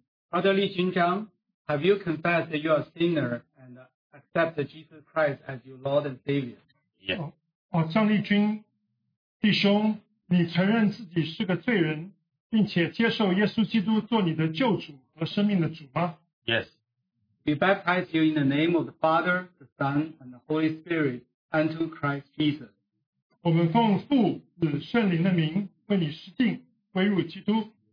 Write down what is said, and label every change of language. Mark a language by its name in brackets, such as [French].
[English] Brother Li Junzhang, have you confessed that you are a sinner and accept Jesus Christ as your Lord and Savior? Yes. [Chinese] 张立军弟兄，你承认自己是个罪人，并且接受耶稣基督做你的救主和生命的主吗？ [English] Yes. We baptize you in the name of the Father, the Son, and the Holy Spirit, unto Christ Jesus. [Chinese] 我们奉父子圣灵的名为你施浸，归入基督。